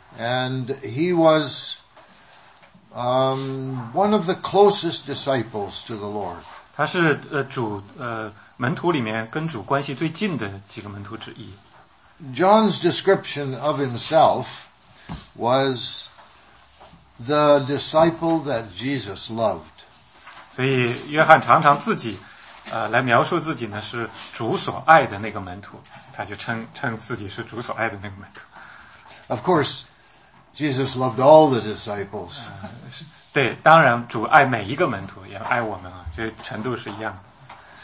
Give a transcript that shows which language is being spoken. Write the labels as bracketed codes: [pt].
[en] And he was one of the closest disciples to the Lord. [zh] 他是门徒里面跟主关系最近的几个门徒之一。 [en] John's description of himself was the disciple that Jesus loved. [zh] 所以约翰常常自己来描述自己呢，是主所爱的那个门徒，他就称自己是主所爱的那个门徒。 [en] Of course, Jesus loved all the disciples. [zh] 对，当然主爱每一个门徒，也爱我们啊，这程度是一样的。